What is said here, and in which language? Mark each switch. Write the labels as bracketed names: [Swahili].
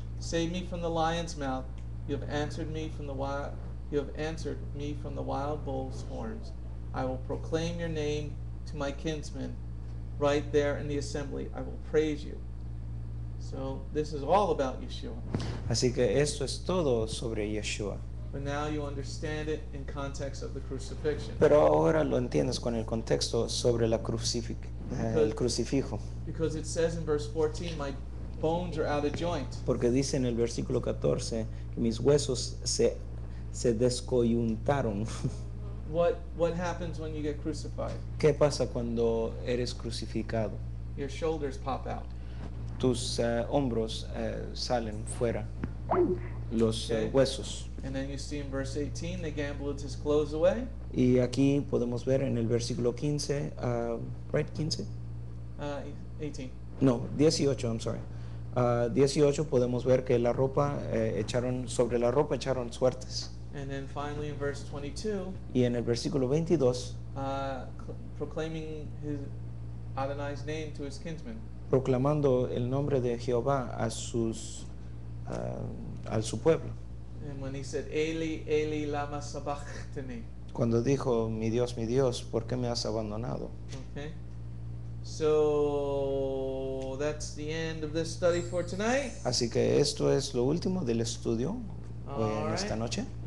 [English] Save me from the lion's mouth. You have answered me from the wild bull's horns. I will proclaim your name to my kinsmen right there in the assembly. I will praise you. So this is all about Yeshua. [Spanish] Así que esto es todo sobre Yeshua. [English] But now you understand it in context of the crucifixion. [Spanish] Pero ahora lo entiendes con el contexto sobre la el crucifijo. [English] Because it says in verse 14, my bones are out of joint. [Spanish] Porque dice en el versículo 14 que mis huesos se descoyuntaron. [English] What happens when you get crucified? [Spanish] ¿Qué pasa cuando eres crucificado? [English] Your shoulders pop out. [Spanish] Tus hombros salen fuera. Los [English] okay. [Spanish] Huesos. [English] And then you see in verse 18, they gambled his clothes away. [Spanish] Y aquí podemos ver en el versículo 15, right, 15? [English] 18. No, 18, I'm sorry. [Spanish] 18 podemos ver que la ropa echaron sobre la ropa echaron suertes. [English] And then finally in verse 22, [Spanish] y en el versículo 22, [English] proclaiming Adonai's name to his kinsmen. [Spanish] Proclamando el nombre de Jehová a sus al su pueblo. [English] And when he said [Aramaic] Eli Eli lama sabachthani. [Spanish] Cuando dijo mi Dios, ¿por qué me has abandonado? [English] Okay. So that's the end of this study for tonight. [Spanish] Así que esto es lo último del estudio en esta noche.